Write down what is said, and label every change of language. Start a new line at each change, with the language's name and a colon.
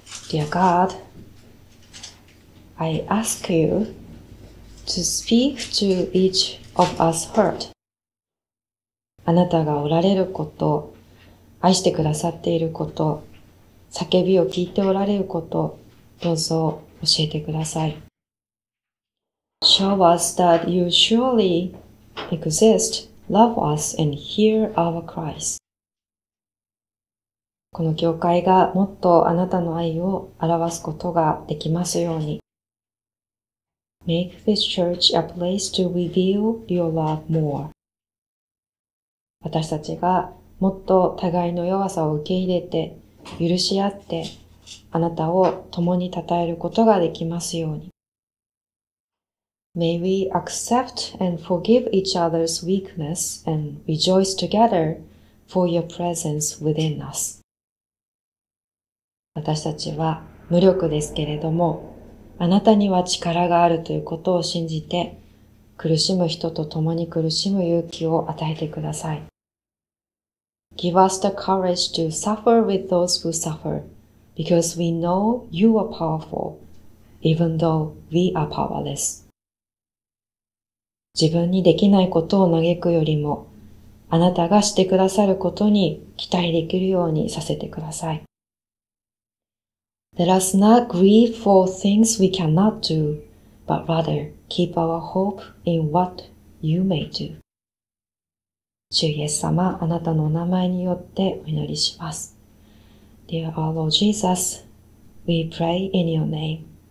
English: Dear God, I ask you,To speak to each of us heart.
Japanese: あなたがおられること、愛してくださっていること、叫びを聞いておられること、どうぞ教えてください。
English: Show us that you surely exist, love us and hear our cries.
Japanese: この教会がもっとあなたの愛を表すことができますように。
English: Make this church a place to reveal your love more.
Japanese: 私たちがもっと互いの弱さを受け入れて、許し合って、あなたを共に称えることができますように。
English: May we accept and forgive each other's weakness and rejoice together for your presence within us.
Japanese: 私たちは無力ですけれども、あなたには力があるということを信じて、苦しむ人と共に苦しむ勇気を与えてください。
English: Give us the courage to suffer with those who suffer, because we know you are powerful, even though we are powerless.
Japanese: 自分にできないことを嘆くよりも、あなたがしてくださることに期待できるようにさせてください。
English: Let us not grieve for things we cannot do, but rather keep our hope in what you may do.
Japanese: 主イエス様、あなたのお名前によってお祈りします。
English: Dear our Lord Jesus, we pray in your name.